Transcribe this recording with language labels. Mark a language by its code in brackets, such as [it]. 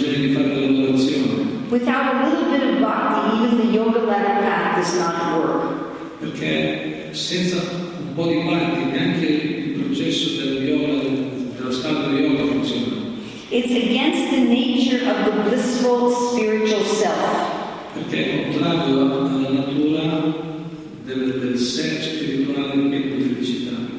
[en] Without a little bit of bhakti, even the yoga ladder path does not work. [it] Perché senza un po' di bhakti, neanche il processo della scala di yoga funziona. [en] It's against the nature of the blissful spiritual self. [it] Perché è contrario alla natura del sé spirituale di felicità.